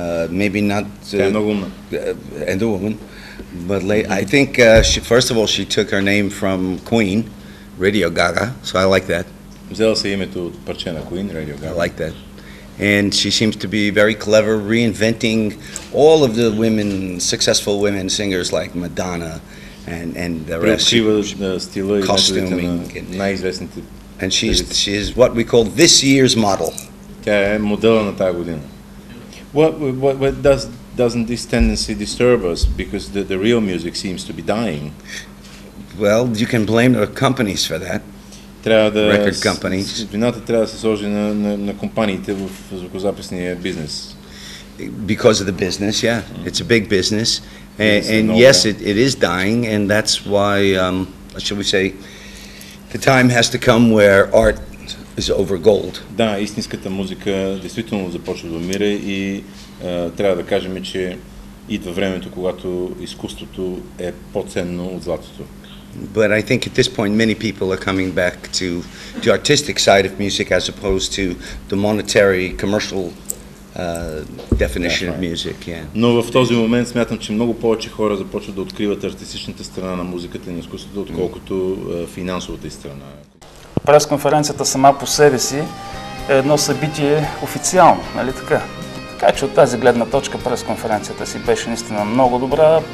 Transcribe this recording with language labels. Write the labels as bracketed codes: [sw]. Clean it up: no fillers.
[en] Maybe not and a woman, but I think she, first of all, she took her name from Queen, Radio Gaga, so I like that. [bg] Взела се името от парче на Queen, Radio Gaga. [en] I like that. And she seems to be very clever reinventing all of the women, successful women singers like Madonna and the rest. [bg] Стила и костюминг. Най-известните. [en] And she is what we call this year's model. [bg] Тя е модела на тази година. [en] Doesn't this tendency disturb us? Because the real music seems to be dying. Well, you can blame the companies for that. Record companies. [bg] Вината трябва да се сложи на компаниите в звукозаписния бизнес. [en] Because of the business, yeah. Mm-hmm. It's a big business. And yes, it is dying, and that's why, shall we say, the time has to come where art is over gold. [bg] Да, истинската музика действително започва да умира и трябва да кажем, че идва времето, когато изкуството е по-ценно от златото. [en] But I think at this point many people are coming back to the artistic side of music as opposed to the monetary commercial definition of music. Yeah. [bg] Но в този момент смятам, че много повече хора започват да откриват артистичната страна на музиката и на изкуството, отколкото финансовата страна. Пресконференцията сама по себе си е едно събитие официално, нали така? Така че от тази гледна точка пресконференцията си беше наистина много добра.